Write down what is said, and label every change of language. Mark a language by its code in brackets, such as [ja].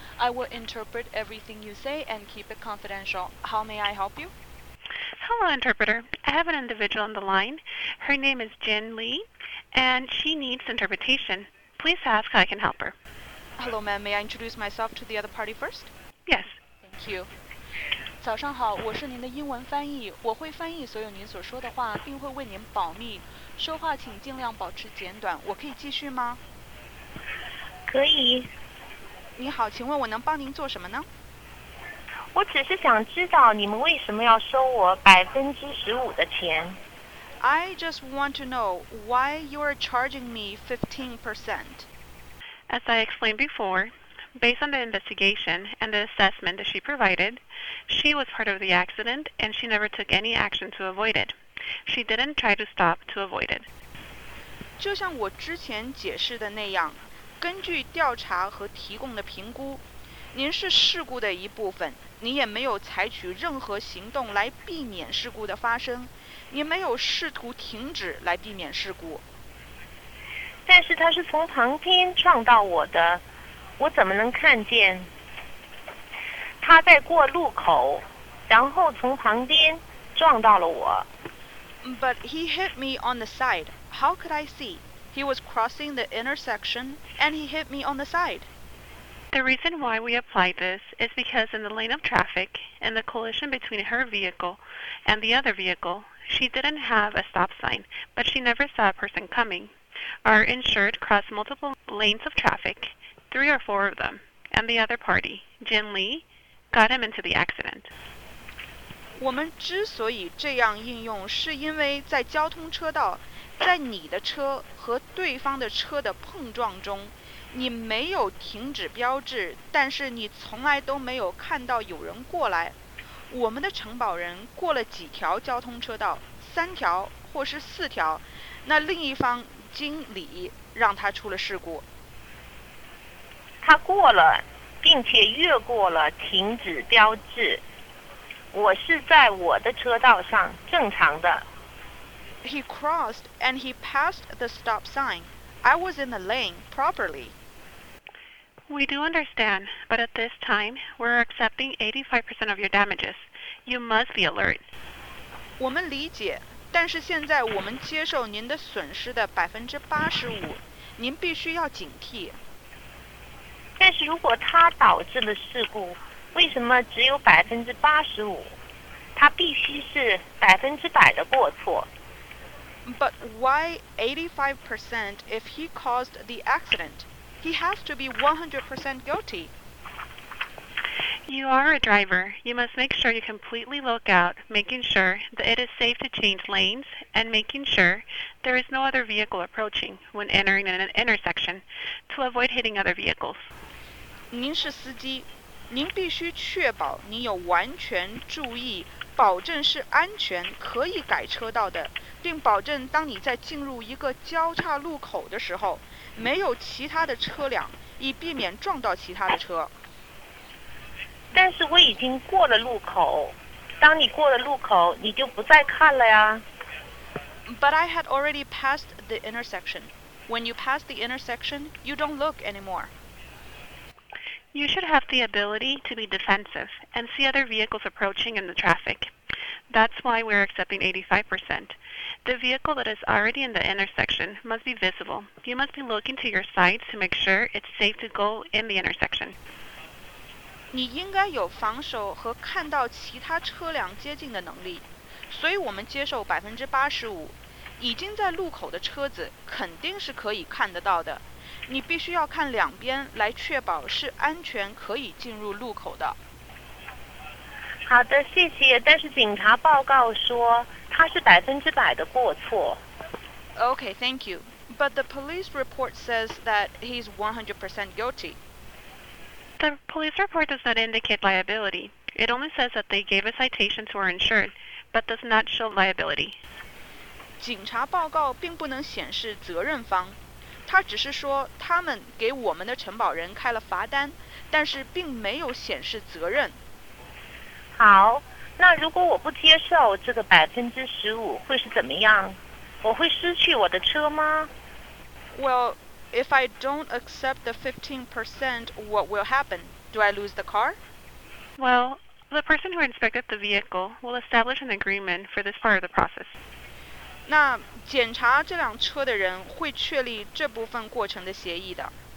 [en] I will interpret everything you say and keep it confidential. How may I help you? Hello, interpreter. I have an individual on the line. Her name is Jin Lee, and she needs interpretation. Please ask how I can help her. Hello, ma'am. May I introduce myself to the other party first? Yes. Thank you. [zh] 早上好，我是您的英文翻译，我会翻译所有您所说的话，并会为您保密。说话请尽量保持简短，我可以继续吗？可以。你好，请问我能帮您做什么呢？我只是想知道你们为什么要收我15%的钱。 [en] I just want to know why you are charging me 15%. As I explained before,Based on the investigation and the assessment that she provided, she was part of the accident and she never took any action to avoid it. She didn't try to stop to avoid it. [zh] 就像我之前解释的那样，根据调查和提供的评估，您是事故的一部分，你也没有采取任何行动来避免事故的发生，你没有试图停止来避免事故。但是他是从旁边撞到我的。我怎么能看见他在过路口，然后从旁边撞到了我 [en] ？But he hit me on the side. How could I see? He was crossing the intersection and he hit me on the side. The reason why we applied this is because in the lane of traffic, in the collision between her vehicle and the other vehicle, she didn't have a stop sign, but she never saw a person coming. Our insured crossed multiple lanes of traffic. Three or four of them, and the other party, Jin Lee, got him into the accident. [zh] 我们之所以这样应用，是因为在交通车道，在你的车和对方的车的碰撞中，你没有停止标志，但是你从来都没有看到有人过来。我们的承保人过了几条交通车道，三条或是四条，那另一方经理让他出了事故。他过了，并且越过了停止标志。我是在我的车道上正常的。 [en] He crossed and he passed the stop sign. I was in the lane properly. We do understand, but at this time, we're accepting 85% of your damages. You must be alert. [zh] 我们理解，但是现在我们接受您的损失的85%，您必须要警惕。但是如果他导致了事故，为什么只有85%？他必须是100%的过错。 [en] But why 85% if he caused the accident? He has to be 100% guilty. You are a driver. You must make sure you completely look out, making sure that it is safe to change lanes and making sure there is no other vehicle approaching when entering an intersection to avoid hitting other vehicles. [zh] 您是司机，您必须确保您有完全注意，保证是安全可以改车道的，并保证当你在进入一个交叉路口的时候，没有其他的车辆，以避免撞到其他的车。但是我已经过了路口，当你过了路口，你就不再看了呀。 [en] But I had already passed the intersection. When you pass the intersection, you don't look anymore. You should have the ability to be defensive and see other vehicles approaching in the traffic. That's why we're accepting 85%. The vehicle that is already in the intersection must be visible. You must be looking to your sides to make sure it's safe to go in the intersection. [zh] 你应该有防守和看到其他车辆接近的能力，所以我们接受85%。已经在路口的车子肯定是可以看得到的。你必须要看两边来确保是安全可以进入路口的。好的，谢谢。但是警察报告说他是100%的过错。 [en] Okay, thank you. But the police report says that he's 100% guilty. The police report does not indicate liability. It only says that they gave a citation to our insured, but does not show liability. [zh] 警察报告并不能显示责任方。他只是说他们给我们的承保人开了罚单，但是并没有显示责任。好，那如果我不接受这个百分之十五会是怎么样？我会失去我的车吗？ [en] Well, if I don't accept the 15%, what will happen? Do I lose the car? Well, the person who inspected the vehicle will establish an agreement for this part of the process. [zh] 那检查这辆车的人会确立这部分过程的协议的。